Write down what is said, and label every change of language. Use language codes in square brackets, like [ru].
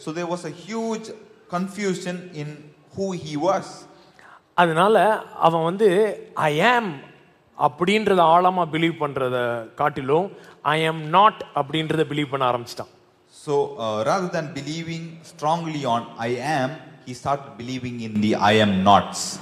[en] So there was a huge confusion in who he was. [ta] அதனால அவன் வந்து [en] I am [ta] அப்படின்றத ஆழமா பிலீவ் பண்றத காட்டிலும் [en] I am not [ta] அப்படின்றத பிலீவ் பண்ண ஆரம்பிச்சிட்டான். [en] So rather than believing strongly on I am, he started believing in the I am nots.